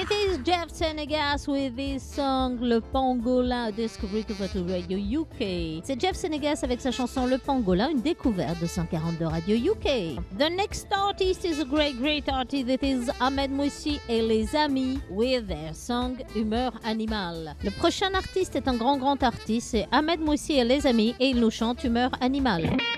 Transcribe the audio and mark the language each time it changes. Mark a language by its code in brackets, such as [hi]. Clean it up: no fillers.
[en] With this song, Le Pangolin, Discovery 242 Radio UK. [fr] C'est Jeff Senegas avec sa chanson Le Pangolin, une découverte de 242 Radio UK. [en] The next artist is a great, great artist. It is Ahmed Moussi et les amis with their song Humeur Animale. [fr] Le prochain artiste est un grand, grand artiste. C'est Ahmed Moussi et les amis et il nous chante Humeur Animale.